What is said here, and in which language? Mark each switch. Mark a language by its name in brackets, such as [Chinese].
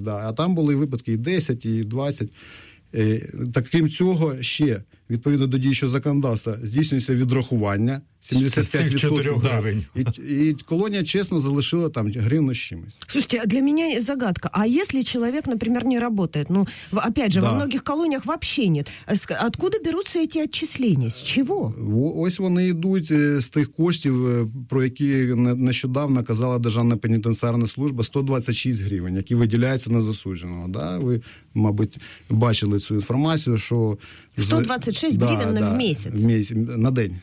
[Ukrainian] да. А там були випадки і 10, і 20. Так, крім цього, ще, відповідно до діючого законодавства, здійснюється відрахування 75%. Да, і колонія чесно залишила там гривну з чимось. Слушайте, для мене загадка. А якщо чоловік, наприклад, не працює? [Russian] Ну, опять же, да. Во многих колоніях вообще нет. Откуда берутся эти отчисления? [Ukrainian] З чого? Ось вони йдуть з тих коштів, про які нещодавно казала Державна пенітенціарна служба, 126 гривень, які виділяються на засудженого. Да? Ви, мабуть, бачили цю інформацію, що... 126 гривень, да, на, да, місяць. На день.